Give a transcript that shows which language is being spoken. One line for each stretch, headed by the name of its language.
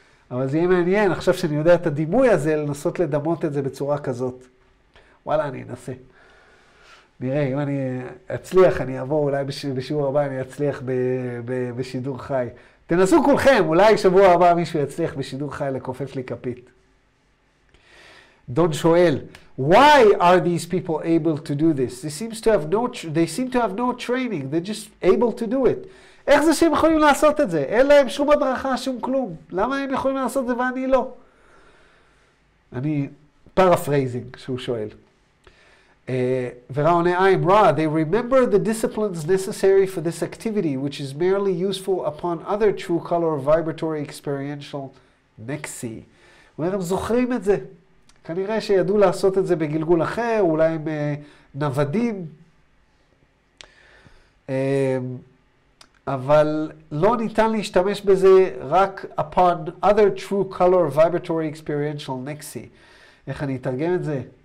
Hebrew: אבל זה יהיה מעניין, עכשיו שאני יודע את הדימוי הזה, לנסות לדמות את זה בצורה כזאת. וואלה, אני אנסה. נראה, אם אני אצליח, אני אעבור, אולי בשיעור הבא אני אצליח בשידור חי. תנסו כולכם, אולי שבוע הבא מישהו יצליח בשידור חי לכופף לי כפית. דון שואל,
English: why are these people able to do this? They seem to have no training, they're just able to do it.
Hebrew: איך זה שהם יכולים לעשות את זה? אין להם שום הדרכה, שום כלום. למה הם יכולים לעשות את זה ואני לא? אני פרפרייזינג שהוא שואל.
English: Verone, I am Ra. They remember the disciplines necessary for this activity, which is merely useful upon other true color vibratory experiential nexi.
Hebrew: אומר, הם זוכרים את זה. כנראה שידעו לעשות את זה בגלגול אחר, אולי הם נוודים. אבל לא ניתן להשתמש בזה רק
English: upon other true color vibratory experiential nexi.
Hebrew: איך אני אתרגם את זה?